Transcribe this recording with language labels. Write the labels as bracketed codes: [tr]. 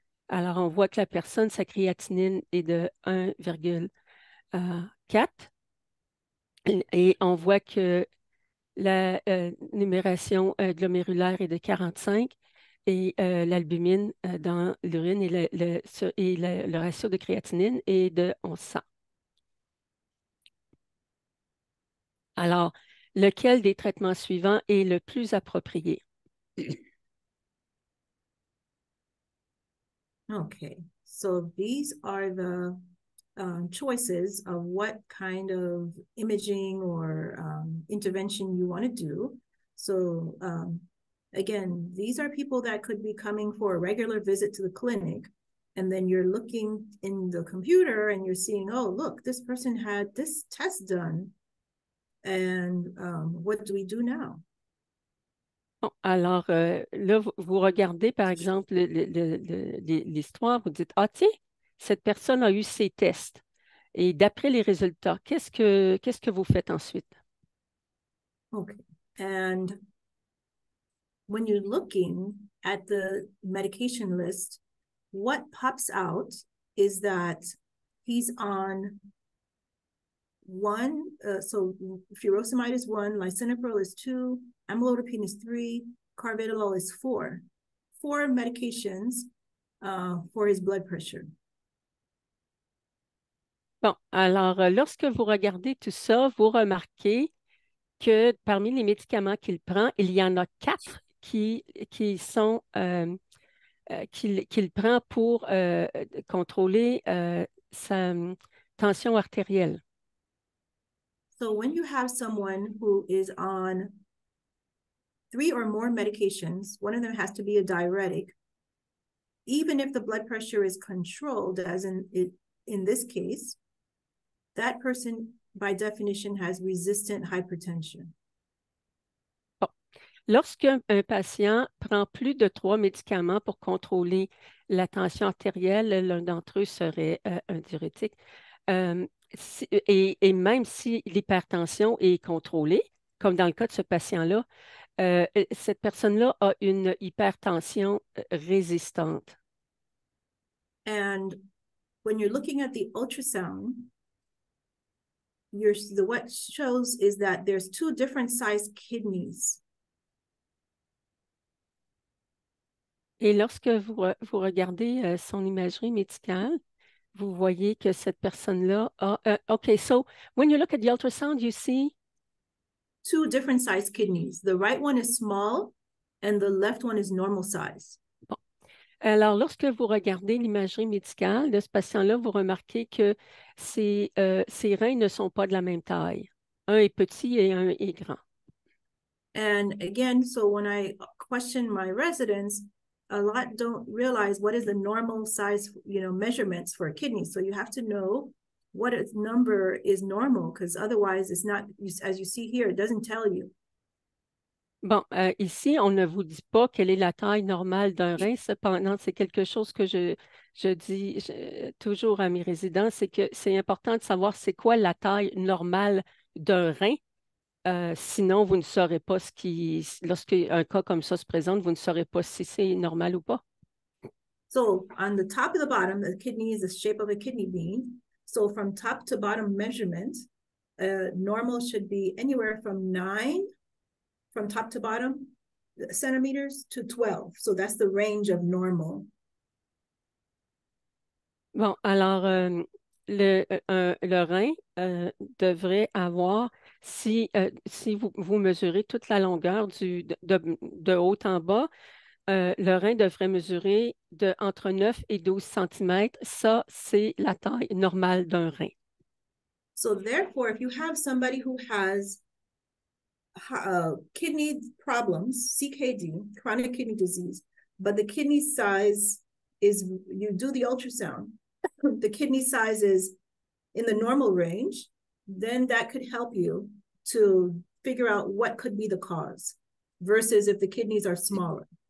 [fr] Alors, on voit que la personne, sa créatinine est de 1,4 et on voit que la numération glomérulaire est de 45 et l'albumine dans l'urine et le ratio de créatinine est de 1100. Alors, lequel des traitements suivants est le plus approprié? [en] Okay, so these are the choices of what kind of imaging or intervention you want to do. So again, these are people that could be coming for a regular visit to the clinic, and then you're looking in the computer and you're seeing, oh, look, this person had this test done, and what do we do now? [fr] Alors, là, vous regardez, par exemple, l'histoire, vous dites, ah, tiens, cette personne a eu ses tests. Et d'après les résultats, qu'est-ce que vous faites ensuite? [en] Okay, and when you're looking at the medication list, what pops out is that he's on one, so furosemide is one, lisinopril is two, amlodipine is three, carvedilol is four. Four medications for his blood pressure. [fr] Bon, alors, lorsque vous regardez tout ça, vous remarquez que parmi les médicaments qu'il prend, il y en a quatre qu'il prend pour contrôler sa tension artérielle. [en] So when you have someone who is on three or more medications, one of them has to be a diuretic, even if the blood pressure is controlled, as in this case, that person by definition has resistant hypertension. [fr] Lorsqu'un patient prend plus de trois médicaments pour contrôler la tension artérielle, l'un d'entre eux serait un diurétique, si, et même si l'hypertension est contrôlée, comme dans le cas de ce patient-là, cette personne-là a une hypertension résistante. [en] And when you're looking at the ultrasound, the what shows is that there's two different sized kidneys. [fr] Et lorsque vous regardez son imagerie médicale, vous voyez que cette personne-là a. [en] OK, so when you look at the ultrasound, you see. Two different sized kidneys. The right one is small and the left one is normal size. [fr] Alors, lorsque vous regardez l'imagerie médicale de ce patient-là, vous remarquez que ses reins ne sont pas de la même taille. Un est petit et un est grand. [en] And again, so when I question my residents, a lot don't realize what is the normal size, measurements for a kidney. So you have to know what its number is normal, because otherwise it's not, as you see here, it doesn't tell you. [fr] Bon, ici, on ne vous dit pas quelle est la taille normale d'un rein. Cependant, c'est quelque chose que je dis toujours à mes résidents, c'est que c'est important de savoir c'est quoi la taille normale d'un rein. Sinon, vous ne saurez pas lorsqu'un cas comme ça se présente, vous ne saurez pas si c'est normal ou pas. [en] So on the top of the bottom, the kidney is the shape of a kidney bean. So from top to bottom measurement, normal should be anywhere from 9 from top to bottom centimeters to 12. So that's the range of normal. [fr] Bon, alors, le rein devrait avoir, si vous mesurez toute la longueur de haut en bas, le rein devrait mesurer entre 9 et 12 cm. Ça, c'est la taille normale d'un rein. [en] So therefore, if you have somebody who has kidney problems, CKD, chronic kidney disease, but the kidney size is, you do the ultrasound, the kidney size is in the normal range, then that could help you to figure out what could be the cause versus if the kidneys are smaller.